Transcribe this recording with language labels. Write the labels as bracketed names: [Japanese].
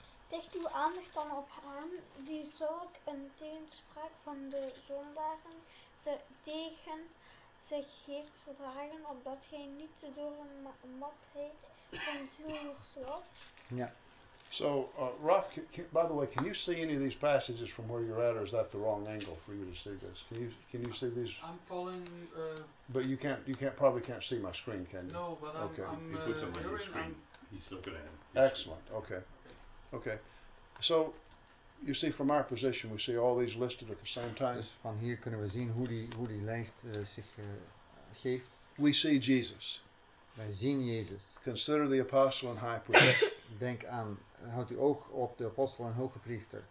[Dutch] Richt uw aandacht dan op hem die zulk een tegenspraak van de zondaren tegen zich heeft verdragen, opdat gij niet door een matheid van ziel wordt. Ja. [English] So, Ralph, by the way, can you see any of these passages from where you're at, or is that the wrong angle for you to see this? Can you see these? I'm following. But you probably can't see my screen, can you? No, but okay. I'm he puts them on your screen. He's looking at him. Excellent. Screen. Okay. Okay, so you see from our position, we see all these listed at the same time. [Dutch] Dus van hier kunnen we zien hoe die lijst zich geeft. [English] We see Jesus. [Dutch] Wij zien Jezus. [English] Consider the apostle and high priest. [Dutch] Denk aan, houd uw oog op de apostel en hoge priester.